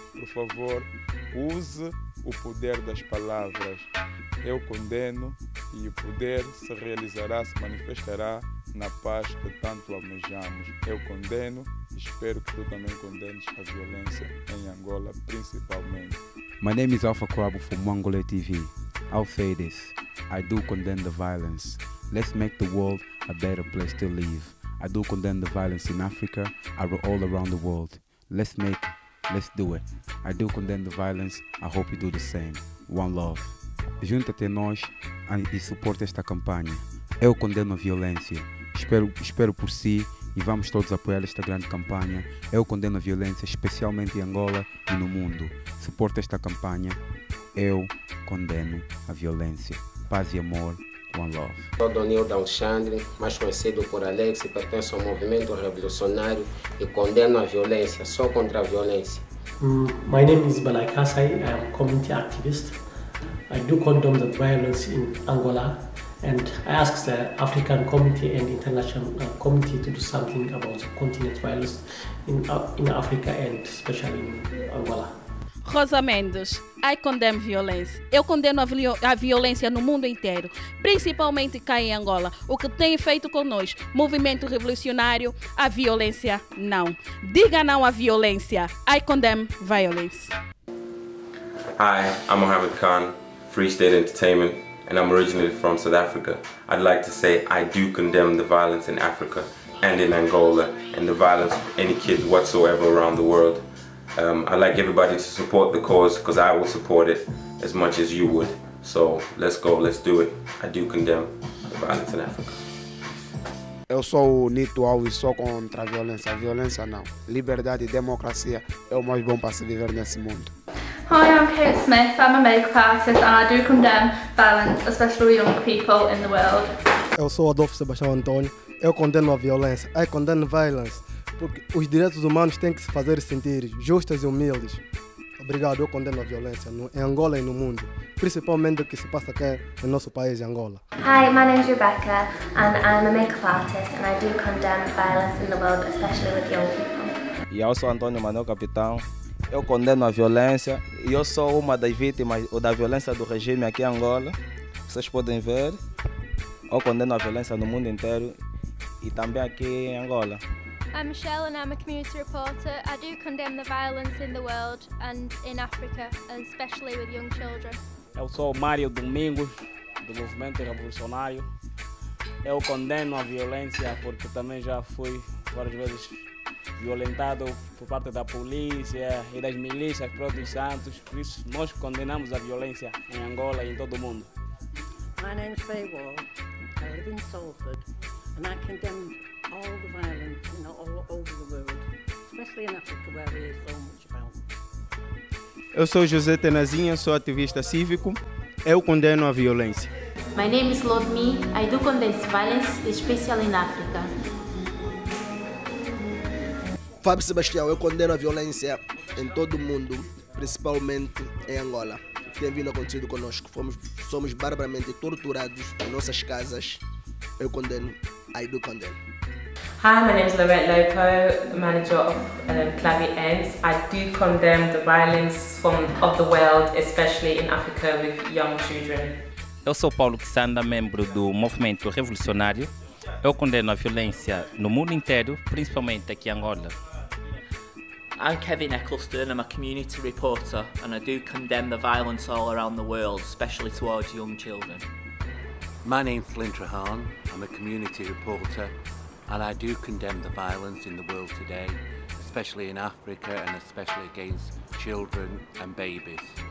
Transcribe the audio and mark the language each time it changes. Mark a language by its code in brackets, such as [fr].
[pt] Por favor, use o poder das palavras. Eu condeno e o poder se realizará, se manifestará na paz que tanto almejamos. Eu condeno, espero que tu também condenes a violência em Angola, principalmente. [en] My name is Alpha Krabu from Mangole TV. I'll say this, I do condemn the violence. Let's make the world a better place to live. I do condemn the violence in Africa, all around the world. Let's do it. I do condemn the violence, I hope you do the same. One love. [pt] Junta-te a nós e suporta esta campanha. Eu condeno a violência. Espero por si e vamos todos apoiar esta grande campanha. Eu condeno a violência, especialmente em Angola e no mundo. Suporta esta campanha. Eu condeno a violência. Paz e amor, [en] one love. [pt] Sou Donil D'Alexandre, mais conhecido por Alex, e pertenço ao movimento revolucionário e condeno a violência, sou contra a violência. [en] My name is Balai Kasai, I am a community activist. I do condemn the violence in Angola and I ask the African community and international community to do something about the continent violence in Africa and especially in Angola. Rosa Mendes, I condemn violence. [pt] Eu condeno a violência no mundo inteiro, principalmente cá em Angola. O que tem feito conosco, movimento revolucionário, a violência não. Diga não à violência. [en] I condemn violence. Hi, I'm Mohammed Khan, Free State Entertainment, and I'm originally from South Africa. I'd like to say I do condemn the violence in Africa and in Angola, and the violence of any kids whatsoever around the world. I'd like everybody to support the cause because I will support it as much as you would. So let's go, let's do it. I do condemn the violence in Africa. [pt] Eu sou o Nito Alves, sou contra a violência. A violência não. Liberdade e democracia é o mais bom para se viver nesse mundo. [en] Hi, I'm Kate Smith. I'm a makeup artist and I do condemn violence, especially young people in the world. [pt] Eu sou Adolfo Sebastião Antônio. Eu condeno a violência. [en] I condemn violence. [pt] Porque os direitos humanos têm que se fazer sentir justos e humildes. Obrigado, eu condeno a violência em Angola e no mundo, principalmente o que se passa aqui no nosso país, Angola. [en] Hi, my name is Rebecca and I'm a makeup artist and I do condemn violence in the world, especially with young people. [pt] E eu sou Antônio Manuel Capitão. Eu condeno a violência e eu sou uma das vítimas da violência do regime aqui em Angola. Vocês podem ver, eu condeno a violência no mundo inteiro e também aqui em Angola. [en] I'm Michelle and I'm a community reporter. I do condemn the violence in the world and in Africa, and especially with young children. [pt] Eu sou Mário Domingos, do Movimento Revolucionário. Eu condeno a violência porque também já fui várias vezes violentado por parte da polícia e das milícias próprios santos. Por isso, nós condenamos a violência em Angola e em todo o mundo. [en] My name is Faye Wall. I live in Salford and I condemn all the violence, you know, all over the world, especially in Africa where we hear so much about. [pt] Eu sou José Tenazinha, sou ativista cívico. Eu condeno a violência. [en] My name is Lord Me. I do condemn violence, especially in Africa. [pt] Fábio Sebastião, eu condeno a violência em todo o mundo, principalmente em Angola. que tem vindo acontecido conosco. Somos barbaramente torturados em nossas casas. Eu condeno. [en] I do condemn. Hi, my name is Lorette Lopo, the manager of Clavi Ends. I do condemn the violence of the world, especially in Africa with young children. [pt] Eu sou Paulo Kisanda, membro do Movimento Revolucionário. Eu condeno a violência no mundo inteiro, principalmente aqui em Angola. [en] I'm Kevin Eccleston, I'm a community reporter, and I do condemn the violence all around the world, especially towards young children. My name's Flint Rahan, I'm a community reporter, and I do condemn the violence in the world today, especially in Africa and especially against children and babies.